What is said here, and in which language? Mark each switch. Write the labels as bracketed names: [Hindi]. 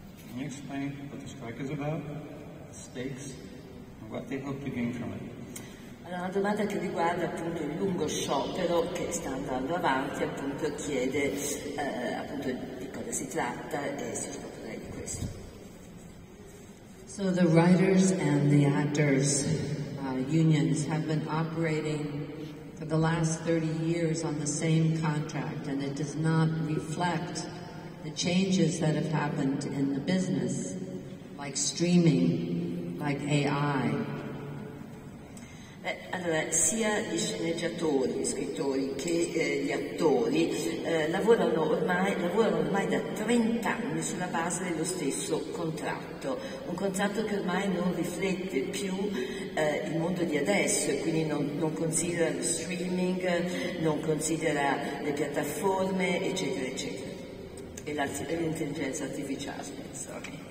[English] Can you explain what the strike is about, the stakes, and what they hope to gain from it? [Italian] Allora, una domanda che riguarda appunto il lungo sciopero che sta andando avanti, appunto chiede appunto di cosa si tratta e si scoprirà di questo. [English] So the writers and the actors unions have been operating for the last 30 years on the same contract, and it does not reflect the changes that have happened in the business, like streaming, like AI. [Italian] Allora, sia gli sceneggiatori, gli scrittori, che gli attori lavorano ormai da 30 anni sulla base dello stesso contratto, un contratto che ormai non riflette più il mondo di adesso e quindi non considera lo streaming, non considera le piattaforme, eccetera, eccetera, e l'intelligenza artificiale, [English] sorry.